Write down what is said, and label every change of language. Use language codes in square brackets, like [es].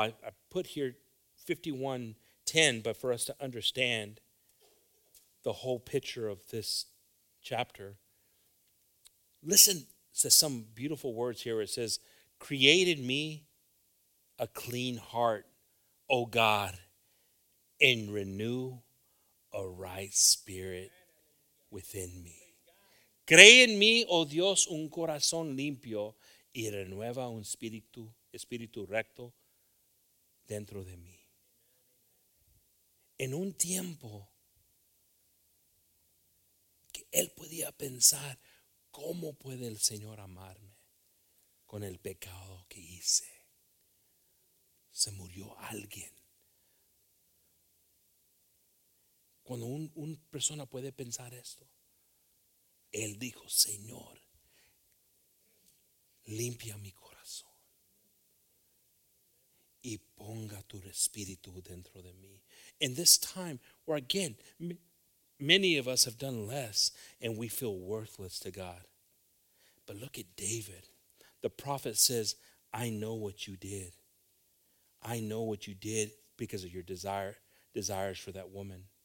[en] I put here 51:10, but for us to understand the whole picture of this chapter, listen to some beautiful words here. It says, create in me a clean heart, O God, and renew a right spirit within me. [es] Cree en mí, oh Dios, un corazón limpio y renueva un espíritu recto dentro de mí. En un tiempo que él podía pensar, ¿cómo puede el Señor amarme con el pecado que hice? Se murió alguien. Cuando una persona puede pensar esto, él dijo, Señor, limpia mi corazón y ponga tu espíritu dentro de mí. [en] In this time, where again, many of us have done less and we feel worthless to God. But look at David. The prophet says, I know what you did. I know what you did because of your desires for that woman.